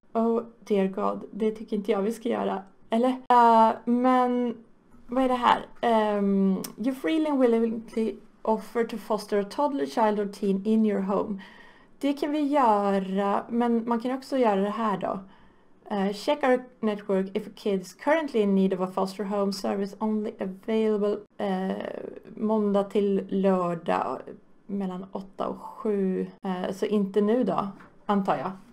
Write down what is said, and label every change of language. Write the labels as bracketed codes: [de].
[en] Oh dear god, [sv] det tycker inte jag vi ska göra. Eller? Men vad är det här? [en] You freely and willingly offer to foster a toddler, child or teen in your home. [sv] Det kan vi göra, men man kan också göra det här då. [en] Check our network if a kid is currently in need of a foster home service only available [sv] måndag till lördag mellan 8 och 7. Så inte nu då, antar jag.